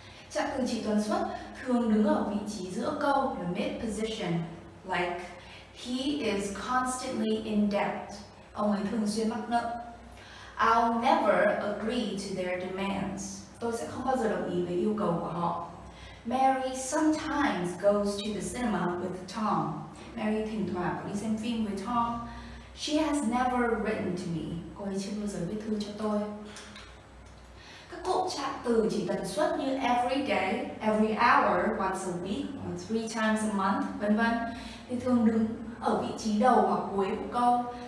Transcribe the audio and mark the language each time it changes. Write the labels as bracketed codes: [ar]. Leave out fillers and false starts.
[vi] Trạng từ chỉ tần suất thường đứng ở vị trí giữa câu là mid position, [en] like he is constantly in debt. [vi] Ông ấy thường xuyên mắc nợ. [en] I'll never agree to their demands. [vi] Tôi sẽ không bao giờ đồng ý với yêu cầu của họ. [en] Mary sometimes goes to the cinema with Tom. [vi] Mary thỉnh thoảng đi xem phim với Tom. [en] She has never written to me. [vi] Cô ấy chưa bao giờ viết thư cho tôi. Các cụm trạng từ chỉ tần suất như every day, every hour, once a week, or three times a month, vân vân, thì thường đứng ở vị trí đầu hoặc cuối của câu.